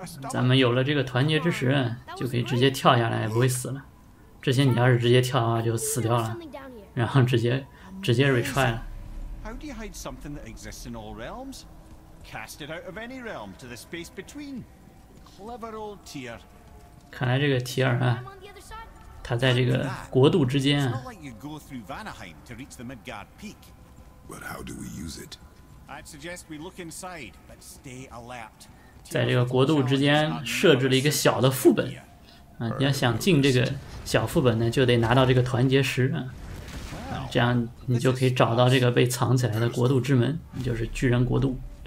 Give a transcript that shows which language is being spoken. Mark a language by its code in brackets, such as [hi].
[zh] 咱们有了这个团结之石就可以直接跳下来，不会死了。之前你要是直接跳的话就死掉了，然后直接 retry 了。 [en] How do you hide something that exists in all realms? Cast it out of any realm to the space between. Clever old Tyr. [zh] 看来这个提尔啊，他在这个国度之间啊。 [en] It's not like you go through Vanaheim to reach the Midgard Peak. But how do we use it? I'd suggest we look inside, but stay alert. [zh] 在这个国度之间设置了一个小的副本。啊，你要想进这个小副本呢，就得拿到这个团结石啊。这样你就可以找到这个被藏起来的国度之门，就是巨人国度。